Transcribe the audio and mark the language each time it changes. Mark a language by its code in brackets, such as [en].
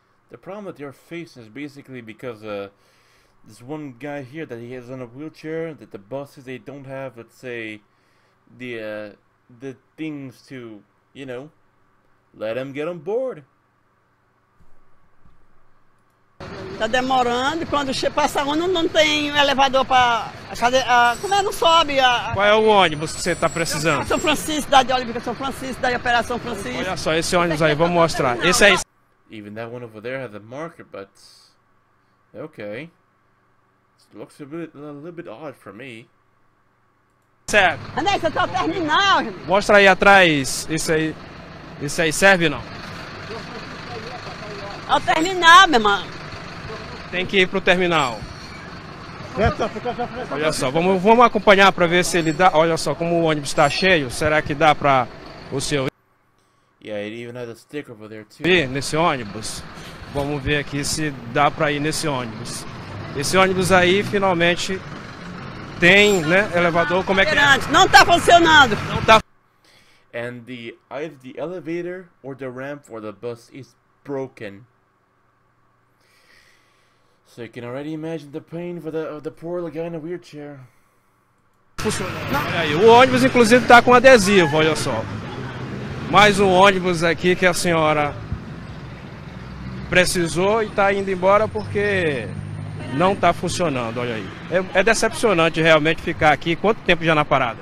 [en] The problem that they're facing is basically because this one guy here that he is in a wheelchair, that the buses, they don't have, let's say, the things to, you know, let him get on board. [pt] Tá demorando, quando passa um, não tem elevador para... Como é, não sobe a... Qual é o ônibus que você tá precisando? São Francisco, da de Olímpica, São Francisco, da Operação Francisco. Olha só, esse ônibus aí, vamos mostrar. Esse aí... [en] Even that one over there has a marker, but okay. It looks a little bit odd for me. [pt] Certo. Anéis, você tá terminal. Mostra aí atrás. Isso aí serve ou não? É o terminal, meu irmão. Tem que ir pro terminal. Certo. Olha só, vamos acompanhar para ver se ele dá. Olha só, como o ônibus está cheio, será que dá para o senhor? [en] Yeah, it even has a stick over there too. [pt] Vê nesse ônibus. Vamos ver aqui se dá pra ir nesse ônibus. Esse ônibus aí finalmente tem, né, elevador. Como é que é? Não tá funcionando. Não tá. [en] And the either the elevator or the ramp for the bus is broken. So you can already imagine the pain for the poor guy in a wheelchair. [pt] Aí, o ônibus inclusive tá com adesivo, olha só. Mais um ônibus aqui que a senhora precisou e está indo embora porque não está funcionando, olha aí. É decepcionante realmente ficar aqui. Quanto tempo já na parada?